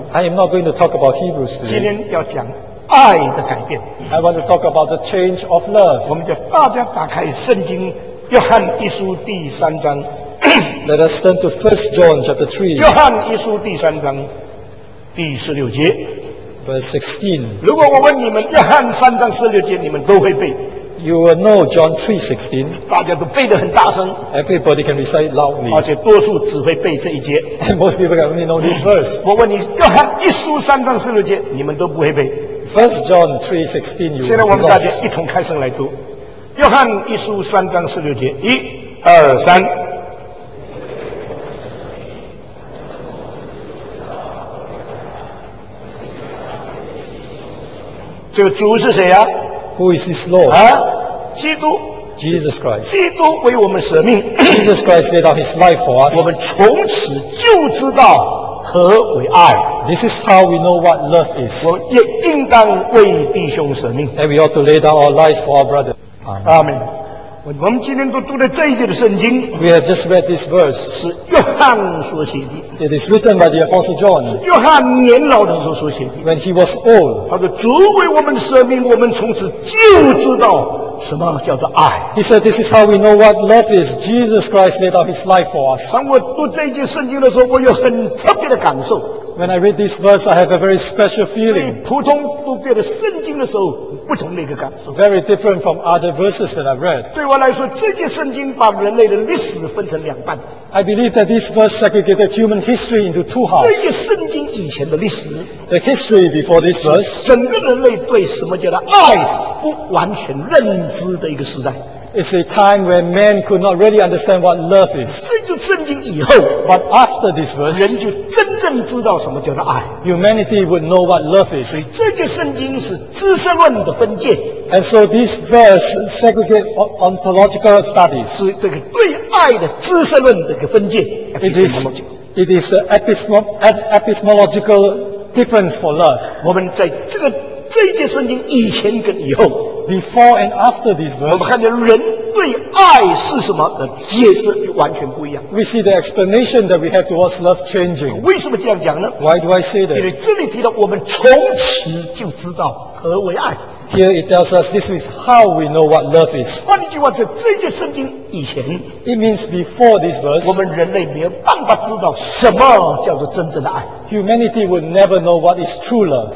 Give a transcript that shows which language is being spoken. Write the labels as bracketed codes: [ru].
[en] I am not going to talk about Hebrews。 [zh] 今天要讲爱的改变。 [en] I want to talk about the change of love。 [zh] 我们就大家打开圣经，约翰一书第三章。 [en] Let us turn to 1 John chapter 3。 [zh] 约翰一书第三章第十六节。 [en] Verse 16。 [zh] 如果我问你们约翰三章十六节，你们都会背。 [en] You will know John 3:16. [zh] 大家都背得很大声。 [en] Everybody can recite loudly. [zh] 而且多数只会背这一节。 [en] And most people can only know this verse. [zh] 我问你，约翰一书三章十六节，你们都不会背。 [en] First John 3:16. [zh] 现在我们大家一同开声来读。约翰一书三章十六节，一、二、三。这个主是谁啊？ [en] Who is this Lord? [zh] 啊，基督。 [en] Jesus Christ. [zh] 基督为我们舍命。 [en] Jesus Christ laid down His life for us. [zh] 我们从此就知道何为爱。 [en] This is how we know what love is. [zh] 我也应当为弟兄舍命。 [en] And we ought to lay down our lives for our brother. Amen. [zh] 我们今天都读了这一节的圣经。 [en] We have just read this verse. [zh] 是约翰所写的。 [en] It is written by the Apostle John. [zh] 是约翰年老的时候所写的。 [en] When he was old. [zh] 他说主为我们舍命，我们从此就知道什么叫做爱。 [en] He said this is how we know what love is. Jesus Christ laid down his life for us. [zh] 当我读这一节圣经的时候，我有很特别的感受。 [en] When I read this verse, I have a very special feeling. [zh] 普通读别的圣经的时候，不同的一个感受。 [en] Very different from other verses that I've read. [zh] 对我来说，这节圣经把人类的历史分成两半。 [en] I believe that this verse segregated human history into two halves. [zh] 这节圣经以前的历史。 [en] The history before this verse. [zh] 整个人类对什么叫做爱不完全认知的一个时代。 [en] It's a time where men could not really understand what love is. [zh] 随着圣经以后， [en] but after this verse, [zh] 人就真正知道什么叫做爱。 [en] Humanity would know what love is. [zh] 所以这节圣经是知识论的分界。 [en] And so this verse segregates ontological studies. [zh] 是这个对爱的知识论的一个分界。 [en] It is the epistemological difference for love. [zh] 我们在这一节圣经以前跟以后。 [en] Before and after this verse, [zh] 我们看见人对爱是什么的解释就完全不一样。 [en] We see the explanation that we have towards love changing. [zh] 为什么这样讲呢？ [en] Why do I say that? [zh] 因为这里提到我们从此就知道何为爱。 [en] Here it tells us this is how we know what love is. [zh] 换一句话说，这节圣经以前， [en] it means before this verse, [zh] 我们人类没有办法知道什么叫做真正的爱。 [en] Humanity would never know what is true love.